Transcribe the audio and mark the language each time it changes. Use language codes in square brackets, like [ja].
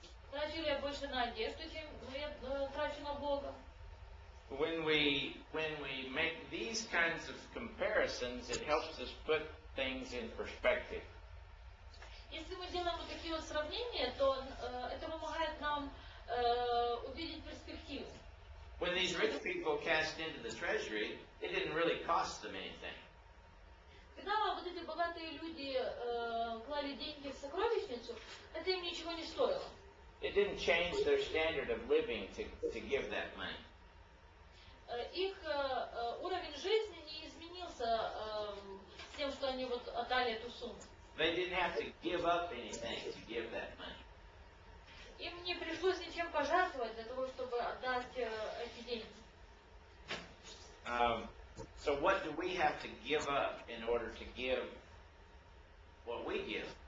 [ru] Трачу ли я больше на одежду, чем я трачу на Бога? [en] When we make these kinds of comparisons, it helps us put things in perspective. [ru] Если мы делаем вот такие вот сравнения, то это помогает нам увидеть перспективу. [en] When these rich people cast into the treasury, it didn't really cost them anything. [ru] Когда вот эти богатые люди клали деньги в сокровищницу, это им ничего не стоило. [en] It didn't change their standard of living to give that money. [ru] Их уровень жизни не изменился с тем, что они вот отдали эту сумму. [en] They didn't have to give up anything to give that money. [ru] Им не пришлось ничем пожертвовать для того, чтобы отдать эти деньги. [en] So what do we have to give up in order to give what we give?